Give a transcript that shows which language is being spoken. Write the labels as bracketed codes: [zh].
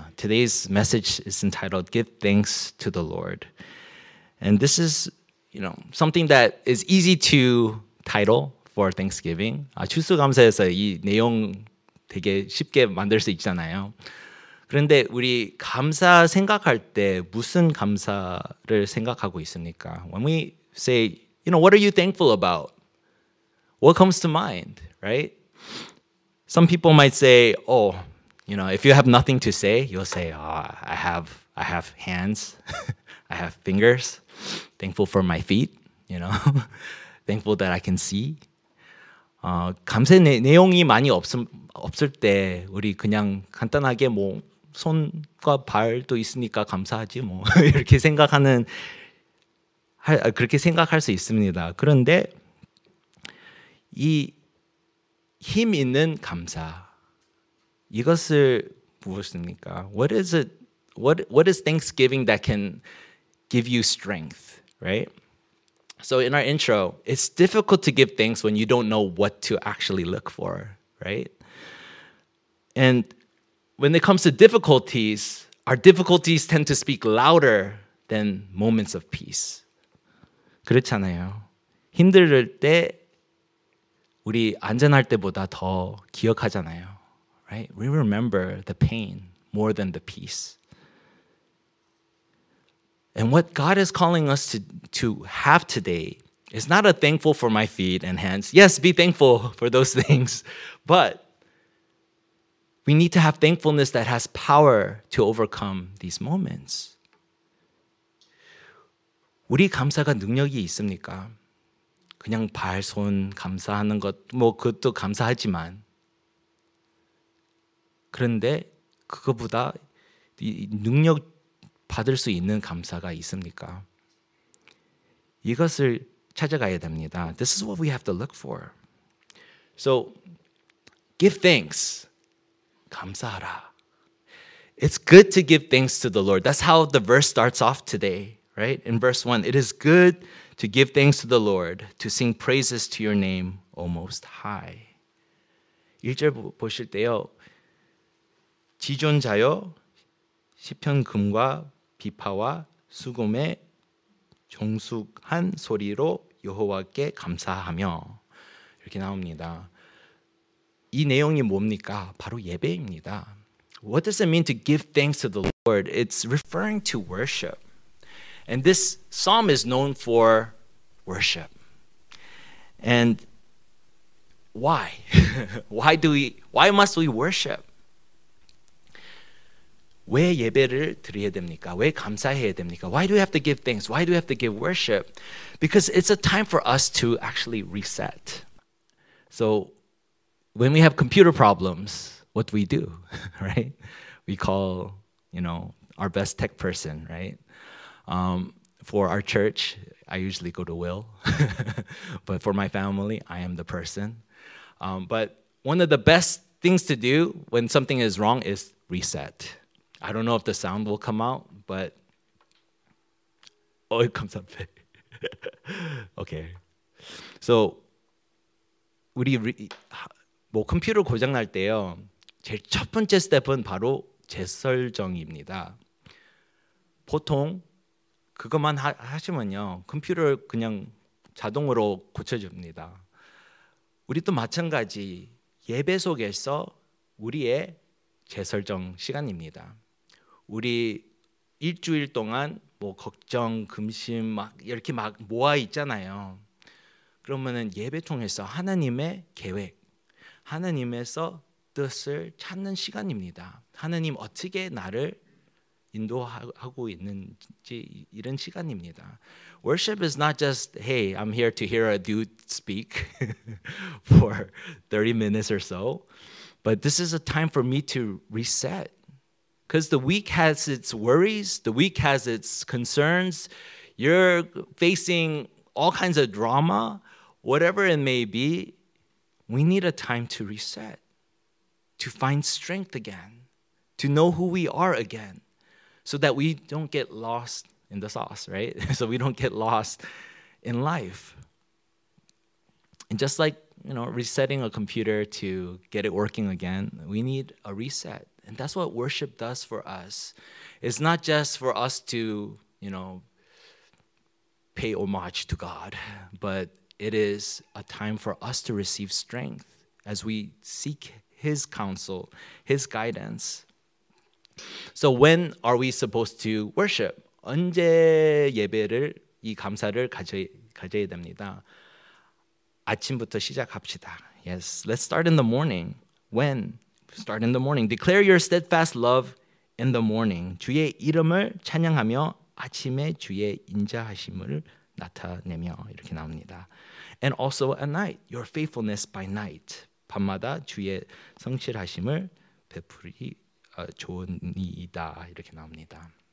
[en] today's message is entitled Give Thanks to the Lord. And this is, you know, something that is easy to title for Thanksgiving. [ko] 추수감사에서 이 내용 되게 쉽게 만들 수 있잖아요. 그런데 우리 감사 생각할 때 무슨 감사를 생각하고 있습니까? [en] When we say, you know, what are you thankful about? What comes to mind, right? Some people might say, oh, you know, if you have nothing to say, you'll say, oh, I have hands, I have fingers, thankful for my feet, you know, thankful that I can see. [ko] 감사 내용이 많이 없을 때 우리 그냥 간단하게 뭐 손과 발도 있으니까 감사하지 뭐 이렇게 생각하는 그렇게 생각할 수 있습니다. 그런데 이 힘 있는 감사 이것을 무엇입니까? [en] What is Thanksgiving that can give you strength, right? So in our intro, it's difficult to give thanks when you don't know what to actually look for, right? And when it comes to difficulties, our difficulties tend to speak louder than moments of peace. [ko] 그렇잖아요. 힘들 때 우리 안전할 때보다 더 기억하잖아요. [en] Right? We remember the pain more than the peace. And what God is calling us to have today is not a thankful for my feet and hands. Yes, be thankful for those things. But we need to have thankfulness that has power to overcome these moments. [ko] 우리 감사가 능력이 있습니까? 그냥 발, 손 감사하는 것, 뭐 그것도 감사하지만 그런데 그거보다 능력 받을 수 있는 감사가 있습니까? 이것을 찾아가야 됩니다. [en] This is what we have to look for. So, give thanks. [ko] 감사하라. [en] It's good to give thanks to the Lord. That's how the verse starts off today, right? In verse 1, it is good to give thanks to the Lord, to sing praises to your name, O Most High. [ko] 1절 보실 때요. 지존자여 시편 금과 비파와 수금의 정숙한 소리로 여호와께 감사하며 이렇게 나옵니다. 이 내용이 뭡니까? 바로 예배입니다. [en] What does it mean to give thanks to the Lord? It's referring to worship. And this psalm is known for worship. And why? why must we worship? [ko] 왜 예배를 드려야 됩니까? 왜 감사해야 됩니까? [en] Why do we have to give thanks? Why do we have to give worship? Because it's a time for us to actually reset. So when we have computer problems, what do? Right? We call, you know, our best tech person, right? For our church, I usually go to Will. But for my family, I am the person. But one of the best things to do when something is wrong is reset. I don't know if the sound will come out, but... Oh, it comes up. Okay. [ko] So, 우리 뭐 컴퓨터 고장날 때요, 제일 첫 번째 스텝은 바로 재설정입니다. 보통 그것만 하시면요, 컴퓨터 그냥 자동으로 고쳐줍니다. 우리 또 마찬가지 예배 속에서 우리의 재설정 시간입니다. 우리 일주일 동안 뭐 걱정, 금심 막 이렇게 막 모아 있잖아요. 그러면은 예배 통해서 하나님의 계획, 하나님에서 뜻을 찾는 시간입니다. 하나님 어떻게 나를 인도하고 있는지 이런 시간입니다. [en] Worship is not just, hey, I'm here to hear a dude speak for 30 minutes or so. But this is a time for me to reset. Because the week has its worries, the week has its concerns. You're facing all kinds of drama, whatever it may be. We need a time to reset, to find strength again, to know who we are again, so that we don't get lost in the sauce, right? So we don't get lost in life. And just like, you know, resetting a computer to get it working again, we need a reset. And that's what worship does for us. It's not just for us to, you know, pay homage to God, but it is a time for us to receive strength as we seek His counsel, His guidance. So when are we supposed to worship? [ko] 언제 예배를 이 감사를 가져야 됩니다. 아침부터 시작합시다. [en] Yes, let's start in the morning. When? Start in the morning. Declare your steadfast love in the morning. [ko] 주의 이름을 찬양하며 아침에 주의 인자하심을 나타내며 이렇게 나옵니다. [en] And also at night, your faithfulness by night. [ko] 밤마다 주의 성실하심을 베풀이 좋은이다 이렇게 나옵니다.